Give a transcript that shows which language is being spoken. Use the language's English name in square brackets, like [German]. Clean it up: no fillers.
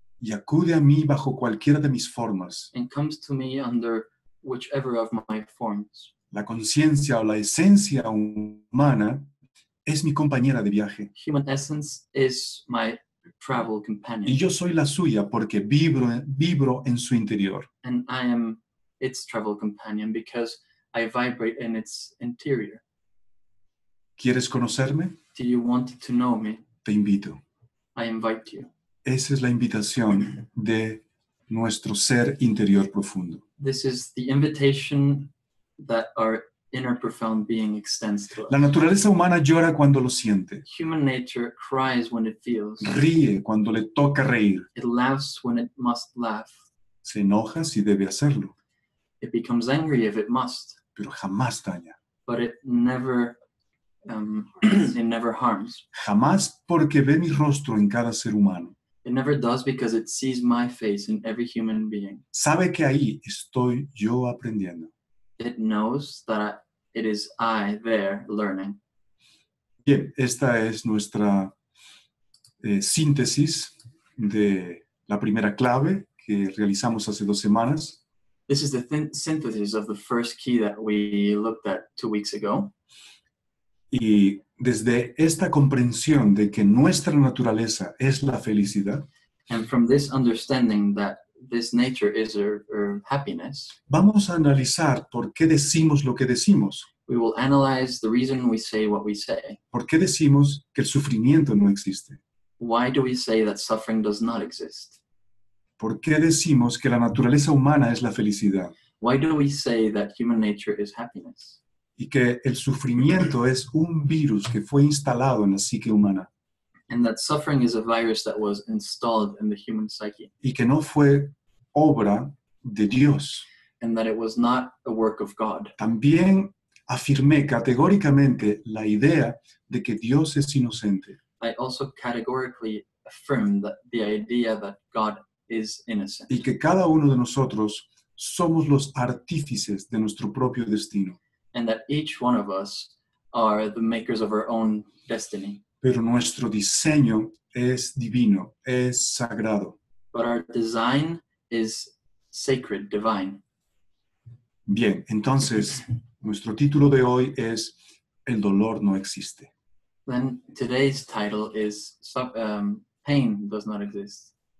[Spanish] Y acude a mí bajo cualquiera de mis formas. [English] And comes to me under whichever of my forms. [Spanish] La conciencia o la esencia humana es mi compañera de viaje. [English] Human essence is my travel companion. [Spanish] Y yo soy la suya porque vibro en su interior. [English] And I am its travel companion because I vibrate in its interior. [Spanish] ¿Quieres conocerme? [English] Do you want to know me? [Spanish] Te invito. [English] I invite you. [Spanish] Esa es la invitación de nuestro ser interior profundo. [English] This is the invitation that our inner profound being extends to us. [Spanish] La naturaleza humana llora cuando lo siente. [English] Human nature cries when it feels. [Spanish] Ríe cuando le toca reír. [English] It laughs when it must laugh. [Spanish] Se enoja si debe hacerlo. [English] It becomes angry if it must. [Spanish] Pero jamás daña. [English] But it never it never harms. [Spanish] Jamás porque ve mi rostro en cada ser humano. [English] It never does because it sees my face in every human being. [Spanish] Sabe que ahí estoy yo aprendiendo. [English] It knows that it is I there learning. [Spanish] Bien, esta es nuestra síntesis de la primera clave que realizamos hace 2 semanas. [English] This is the synthesis of the first key that we looked at 2 weeks ago. [Spanish] Y desde esta comprensión de que nuestra naturaleza es la felicidad. [English] And from this understanding that this nature is our happiness. [Spanish] Vamos a analizar por qué decimos lo que decimos. [English] We will analyze the reason we say what we say. [Spanish] ¿Por qué decimos que el sufrimiento no existe? [English] Why do we say that suffering does not exist? [Spanish] ¿Por qué decimos que la naturaleza humana es la felicidad? [English] Why do we say that human nature is happiness? [Spanish] Y que el sufrimiento es un virus que fue instalado en la psique humana. [English] And that suffering is a virus that was installed in the human psyche. [Spanish] Y que no fue obra de Dios. [English] And that it was not a work of God. [Spanish] También afirmé categóricamente la idea de que Dios es inocente. [English] I also categorically affirmed that the idea that God is innocent. [Spanish] Y que cada uno de nosotros somos los artífices de nuestro propio destino. [English] And that each one of us are the makers of our own destiny. [Spanish] Pero nuestro diseño es divino, es sagrado. [English] But our design is sacred, divine. [Spanish] Bien, entonces, nuestro título de hoy es El dolor no existe. [English] Then today's title is Pain does not exist.